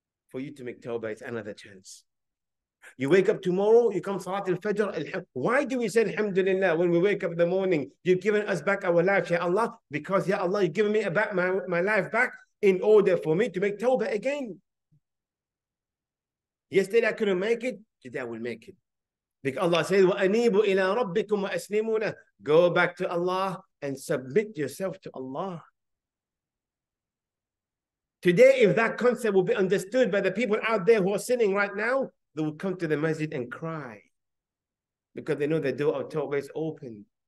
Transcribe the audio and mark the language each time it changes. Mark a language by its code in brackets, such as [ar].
[en] For you to make tawbah, it's another chance. You wake up tomorrow, you come Salat al-Fajr. Why do we say Alhamdulillah when we wake up in the morning? You've given us back our life, Ya Allah. Because Ya Allah, you've given me back my life back in order for me to make tawbah again. Yesterday I couldn't make it, today I will make it. Because Allah says, [ar] وَأَنِيبُ إِلَىٰ رَبِّكُمْ وَأَسْلِمُونَ. [en] Go back to Allah and submit yourself to Allah. Today, if that concept will be understood by the people out there who are sinning right now, they will come to the masjid and cry because they know the door of tawbah is open.